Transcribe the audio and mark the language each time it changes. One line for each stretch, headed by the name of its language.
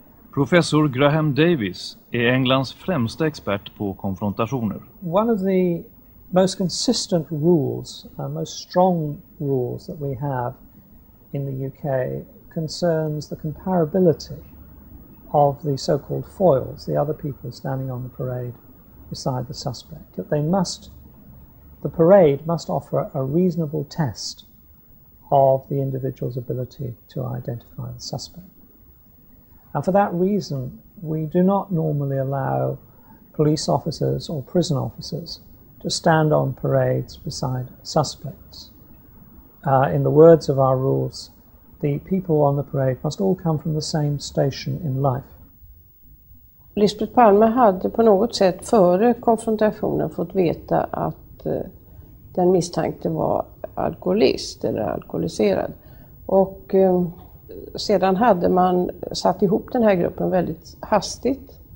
Swedish: Professor Graham Davies är Englands främsta expert på konfrontationer.
English: One of the most consistent rules, most strong rules that we have in the UK concerns the comparability of the so-called foils, the other people standing on the parade beside the suspect. That they must, the parade must offer a reasonable test of the individual's ability to identify the suspect. And for that reason, we do not normally allow police officers or prison officers to stand on parades beside suspects. In the words of our rules, the people on the parade must all come from the same station in life.
Swedish: Lisbet Palme hade på något sätt före konfrontationen fått veta att den misstänkte var alkoholist eller alkoholiserad. Och sedan hade man satt ihop den här gruppen väldigt hastigt.